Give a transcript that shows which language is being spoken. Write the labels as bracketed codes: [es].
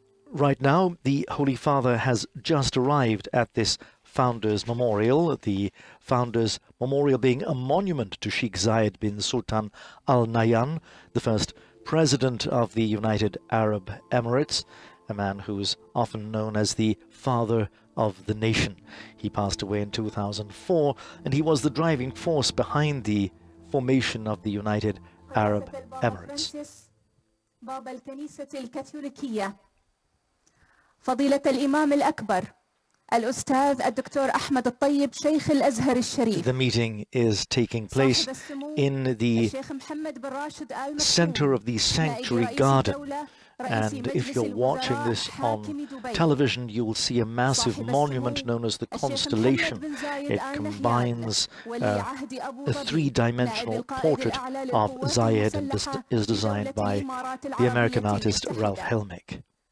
[en] Right now, the Holy Father has just arrived at this Founders Memorial, the Founders Memorial being a monument to Sheikh Zayed bin Sultan Al Nahyan, the first president of the United Arab Emirates, a man who is often known as the Father of the Nation. He passed away in 2004, and he was the driving force behind the formation of the United Arab Emirates. [ar] باب الكنيسة الكاثوليكية فضيلة الإمام الأكبر الأستاذ الدكتور أحمد الطيب شيخ الأزهر الشريف. [en] The meeting is taking place in the center of the sanctuary garden. And if you're watching this on television, you will see a massive monument known as the Constellation. It combines a three-dimensional portrait of Zayed and is designed by the American artist Ralph Helmick.